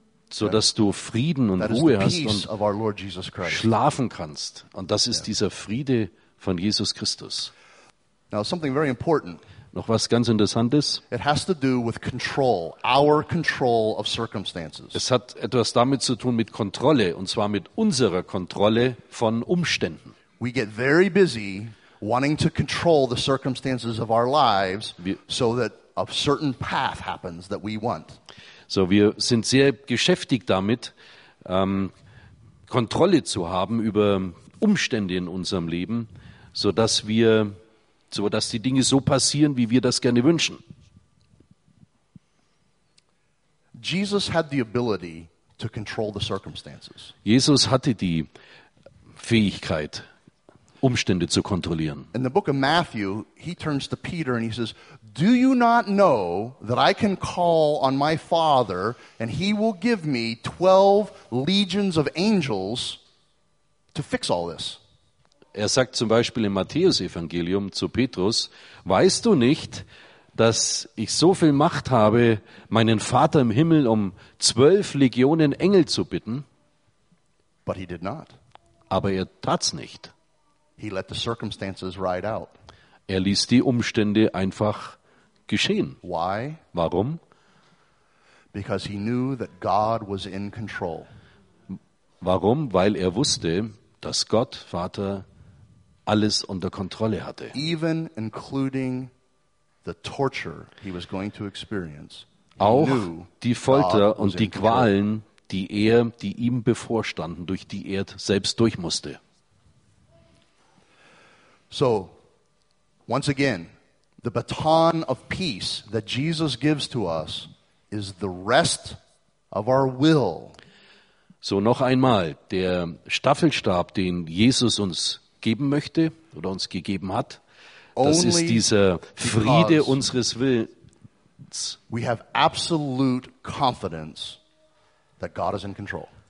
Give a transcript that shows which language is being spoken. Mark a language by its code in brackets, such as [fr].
[de] so dass du Frieden und Ruhe hast und schlafen kannst. Und das ist dieser Friede von Jesus Christus. [en] Now, something very important. [de] Noch was ganz Interessantes. [en] It has to do with control, our control of circumstances. [de] Es hat etwas damit zu tun mit Kontrolle, und zwar mit unserer Kontrolle von Umständen. [en] We get very busy wanting to control the circumstances of our lives so that a certain path happens that we want. [de] So wir sind sehr geschäftig damit, Kontrolle zu haben über Umstände in unserem Leben, so dass die Dinge so passieren, wie wir das gerne wünschen. [en] Jesus had the ability to control the circumstances. [de] Jesus hatte die Fähigkeit, Umstände zu kontrollieren. [en] In the book of Matthew, he turns to Peter and he says, "Do you not know that I can call on my Father and he will give me 12 legions of angels to fix all this?" [de] Er sagt zum Beispiel im Matthäus-Evangelium zu Petrus, "Weißt du nicht, dass ich so viel Macht habe, meinen Vater im Himmel um 12 Legionen Engel zu bitten?" [en] But he did not. [de] Aber er tat's nicht. [en] He let the circumstances ride out. [de] Er ließ die Umstände einfach geschehen. [en] Why? [de] Warum? [en] Because he knew that God was in control. [de] Warum? Weil er wusste, dass Gott Vater alles unter Kontrolle hatte. [en] Even including the torture he was going to experience. [de] Auch die Folter und die Qualen, die er, die ihm bevorstanden, durch die er selbst durch musste. [en] So, once again, the baton of peace that Jesus gives to us is the rest of our will. [de] So, noch einmal, der Staffelstab, den Jesus uns geben möchte oder uns gegeben hat, das ist dieser Friede unseres Willens. [en] We have absolute confidence that God is in control.